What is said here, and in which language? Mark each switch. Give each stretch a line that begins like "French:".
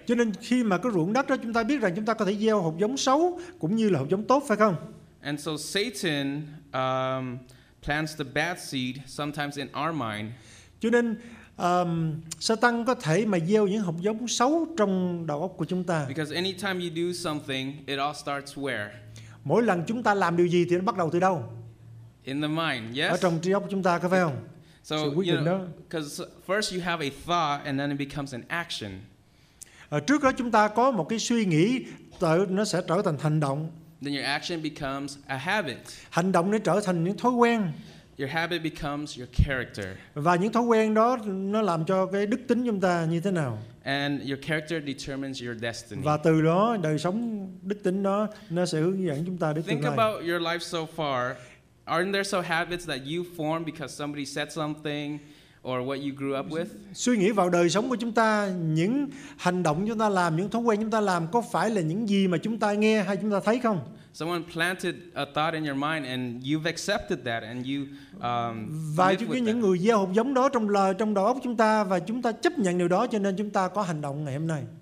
Vietnamese: Cho nên khi mà cái ruộng đất đó chúng ta biết rằng chúng ta có thể gieo hạt giống xấu cũng như là hạt giống tốt, phải không?
English: And so Satan plants the bad seed sometimes in our mind.
Vietnamese: Cho nên Satan có thể mà gieo những hạt giống xấu trong đầu óc của chúng ta.
English: Because anytime you do something, it all starts where?
Vietnamese: Mỗi lần chúng ta làm điều gì thì nó bắt đầu từ đâu?
English: In the mind, yes.
Vietnamese: Ở trong trí óc chúng ta, có phải không?
English: So, you know, because first you have a thought and then it becomes an action.
Vietnamese: Trước đó chúng ta có một cái suy nghĩ, nó sẽ trở thành hành động.
English: Then your action becomes a habit.
Vietnamese: Hành động nó trở thành những thói quen.
English: Your habit becomes your character.
Vietnamese: Và những thói quen đó nó làm cho cái đức tính chúng ta như thế nào.
English: And your character determines your destiny.
Vietnamese: Và từ đó đời sống đức tính đó nó sẽ hướng dẫn chúng ta đến tương lai.
English: Think about your life so far. Aren't there some habits that you form because somebody said something or what you grew up with?
Vietnamese: Suy nghĩ vào đời sống của chúng ta, những hành động chúng ta làm, những thói quen chúng ta làm có phải là những gì mà chúng ta nghe hay chúng ta thấy không?
English: Someone planted a thought in your mind and you've accepted that and you
Vietnamese: và chúng những người gieo hạt giống đó trong lời, trong đầu óc chúng ta và chúng ta chấp nhận điều đó cho nên chúng ta có hành động ngày hôm nay.